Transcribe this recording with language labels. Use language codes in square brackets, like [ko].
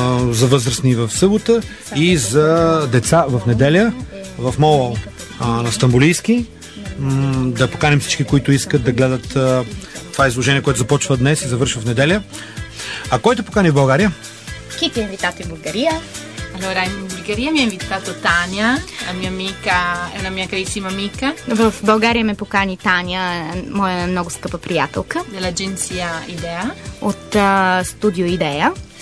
[bg] За възрастни в събота и за деца в неделя в мола на Стамбулийски. Да поканим всички, които искат да гледат това изложение, което започва днес и завършва в неделя. А кой те покани в България? [it] Кити инвитати [bg] в България. [it] Allora, in Bulgaria mi ha invitato Tania, la mia amica, è una mia carissima amica. [bg] В България ме покани Таня, моя много скъпа приятелка. [it] Dell'agenzia Idea. [bg] От студио Idea.